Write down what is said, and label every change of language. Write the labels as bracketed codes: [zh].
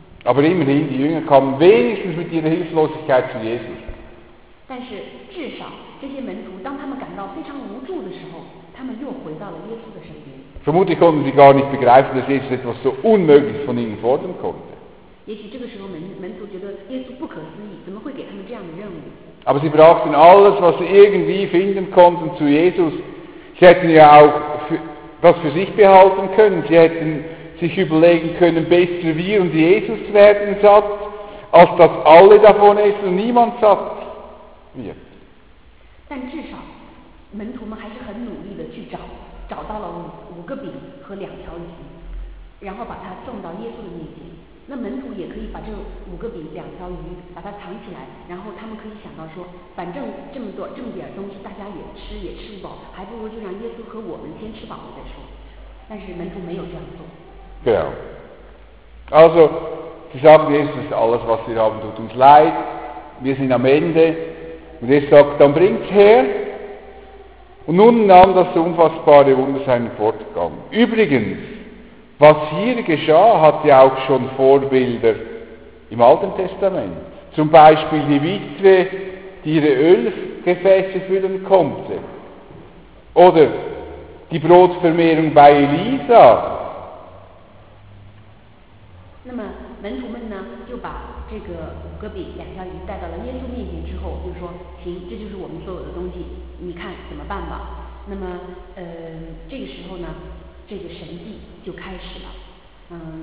[de] Aber immerhin, die Jünger kamen wenigstens mit ihrer Hilflosigkeit zu Jesus. [zh] 但是至少这些门徒当他们感到非常无助的时候，他们又回到了耶稣的身边。 [de] Vermutlich konnten sie gar nicht begreifen, dass Jesus etwas so Unmögliches von ihnen fordern konnte. [zh] 也许这个时候门徒觉得耶稣不可思议，怎么会给他们这样的任务？ [de] Aber sie brachten alles, was sie irgendwie finden konnten, zu Jesus. Sie hätten ja auch das für sich behalten können. Sie hätten sich überlegen können, besser wir und Jesus werden satt, als dass alle davon essen und niemand satt wird. [zh] 但至少门徒们还是很努力的去找到了 五个饼和两条鱼，然后把它送到耶稣的面前。那门徒也可以把这五个饼两条鱼把它藏起来，然后他们可以想到说，反正这么点东西大家也吃也吃不饱，还不如就让耶稣和我们先吃饱了再说。但是门徒没有这样做。 [de] Genau. Also, sie sagen, Jesus, ist alles, was wir haben, tut uns leid. Wir sind am Ende. Und Jesus sagt, dann bringt's her. Und nun nahm das unfassbare Wunder seinen Fortgang. Übrigens, was hier geschah, hat ja auch schon Vorbilder im Alten Testament. Zum Beispiel die Witwe, die ihre Ölgefäße füllen konnte. Oder die Brotvermehrung bei Elisa. [zh] 那么门徒们呢，就把这个五个饼两条鱼带到了耶稣面前之后，就说，行，这就是我们所有的东西，你看怎么办吧。那么这个时候呢，这个神迹就开始了。